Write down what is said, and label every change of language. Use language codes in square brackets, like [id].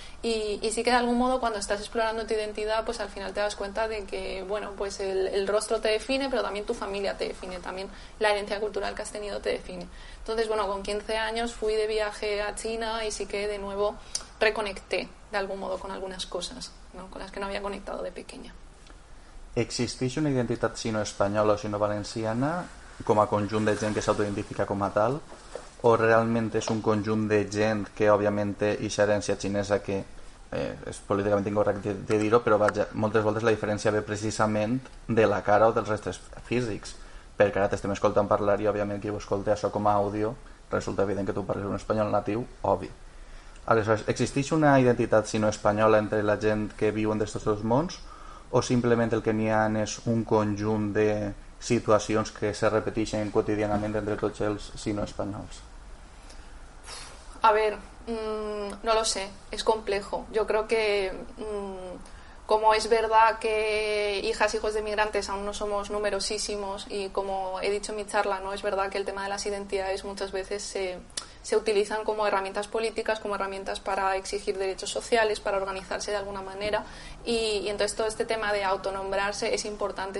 [es] Y sí que de algún modo cuando estás explorando tu identidad, pues al final te das cuenta de que, bueno, pues el rostro te define, pero también tu familia te define, también la herencia cultural que has tenido te define. Entonces, bueno, con 15 años fui de viaje a China y sí que de nuevo reconecté de algún modo con algunas cosas, ¿no?, con las que no había conectado de pequeña. [ca] ¿Existeix una identitat sino española o sino valenciana com a conjunt de gent que s'autoidentifica com a tal, o realment és un conjunt de gent que, òbviament, eixa herència xinesa que és políticament incorrecte de dir-ho, però vaja, moltes voltes la diferència ve precisament de la cara o dels restes físics, perquè ara t'estem escoltant parlar i, òbviament, qui ho escolta això com a àudio, resulta evident que tu parles un espanyol natiu, obvi. Aleshores, existeix una identitat, si no espanyola, entre la gent que viu en d'aquests dos mons, o simplement el que n'hi ha és un conjunt de situacions que se repeteixen quotidianament entre tots els sino espanyols? [es] A ver, no lo sé, es complejo. Yo creo que como es verdad que hijas, hijos de migrantes aún no somos numerosísimos y como he dicho en mi charla, ¿no?, es verdad que el tema de las identidades muchas veces se utilizan como herramientas políticas, como herramientas para exigir derechos sociales, para organizarse de alguna manera, y entonces todo este tema de autonombrarse es importante.